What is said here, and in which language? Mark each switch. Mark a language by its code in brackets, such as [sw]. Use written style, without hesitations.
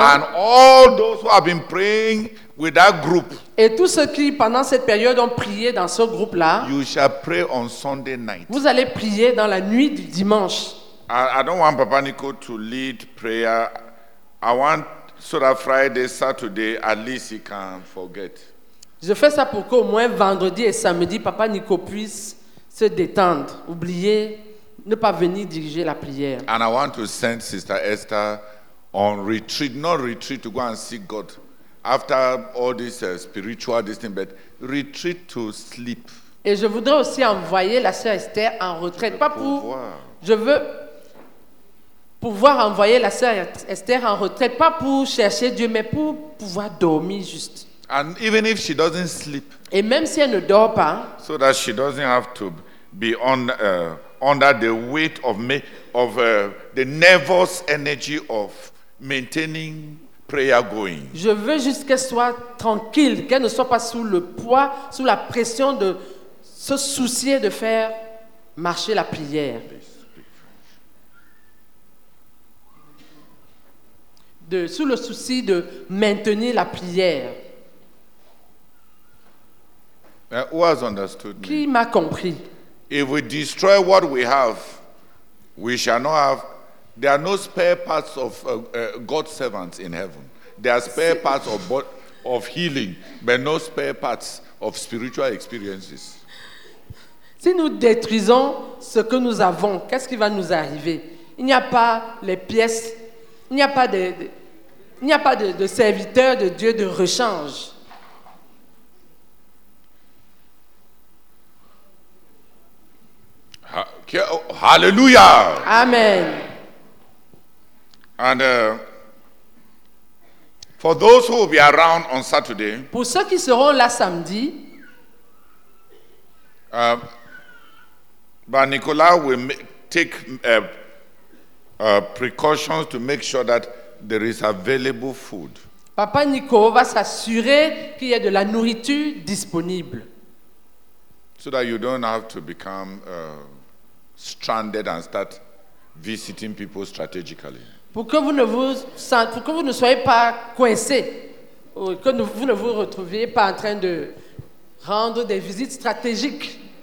[en] And all those who have been praying with that group. [fr] Et tous ceux qui pendant cette période ont prié dans ce groupe là. [en] You shall pray on Sunday night. [fr] Vous allez prier dans la nuit du dimanche. [en] I don't want Papa Nico to lead prayer. I want so that Friday, Saturday, at least he can forget. [fr] Je fais ça pour qu'au moins vendredi et samedi, Papa Nico puisse se détendre, oublier, ne pas venir diriger la prière. [en] And I want to send Sister Esther on retreat, not retreat to go and seek God after all this spiritual distance, but retreat to sleep. [fr] Et je voudrais aussi envoyer la sœur Esther en retraite. Pas pour. Je veux pouvoir envoyer la sœur Esther en retraite, pas pour chercher Dieu, mais pour pouvoir dormir juste. [en] And even if she doesn't sleep. [fr] Et même si elle ne dort pas. [en] So that she doesn't have to be on under the weight of the nervous energy of maintaining prayer going. [fr] Je veux juste qu'elle soit tranquille, qu'elle ne soit pas sous le poids, sous la pression de se soucier de faire marcher la prière. Sous le souci de maintenir la prière. [en] Who has understood me? [fr] Qui m'a compris? [en] If we destroy what we have, we shall not have. There are no spare parts of God's servants in heaven. There are spare parts of healing, but no spare parts of spiritual experiences. [fr] Si nous détruisons ce que nous avons, qu'est-ce qui va nous arriver? Il n'y a pas les pièces. Il n'y a pas de serviteur de Dieu de rechange. Hallelujah. Amen. [en] And for those who will be around on Saturday. [fr] Pour ceux qui seront là samedi. [en] But Nicolas will take precautions to make sure that there is available food. [fr] Papa Nico va s'assurer qu'il y ait de la nourriture disponible. [en] So that you don't have to become stranded and start visiting people strategically. [fr] Pour que vous ne soyez pas coincé, ou que vous ne vous retrouviez pas en train de rendre des visites stratégiques.